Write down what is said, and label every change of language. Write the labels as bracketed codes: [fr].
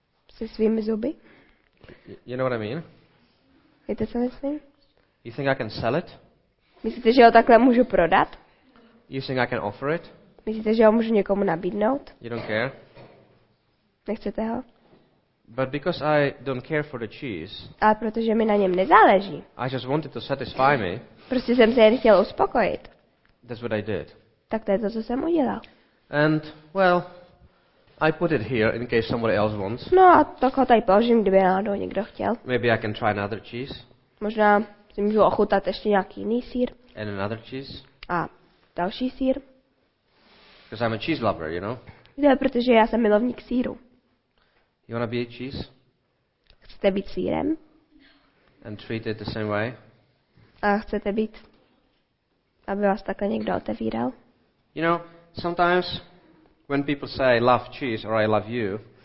[cs] Se svými zuby. [en] You know what I mean? [cs] Víte, co myslím? [en] You think I can sell it? [cs] Myslíte, že ho takhle můžu prodat? [en] You think I can offer it? [cs] Myslíte, že ho můžu někomu nabídnout? [en] You don't care. [cs] Nechcete ho? [en] But because I don't care for the cheese. [cs] A protože mi na něm nezáleží. [en] I just wanted to satisfy me. [cs] Prostě jsem se jen chtěl uspokojit. [en] That's what I did. [cs] Tak to je to, co jsem udělal. [en] And well, I put it here in case somebody else wants. [cs] No, a tak ho tady položím, kdyby náhodou někdo chtěl. [en] Maybe I can try another cheese. [cs] Možná si můžu ochutnat ještě nějaký jiný sýr. [en] And another cheese. [cs] A další sýr. [en] Because I'm a cheese lover, you know. [cs] Ne, protože já jsem milovník sýru. [en] You wanna be a cheese? [cs] Chcete být sýrem? [en] And treat it the same way? [cs] A chcete být, aby vás takhle někdo otevíral? [en] You know, sometimes when people say I love cheese or I love you.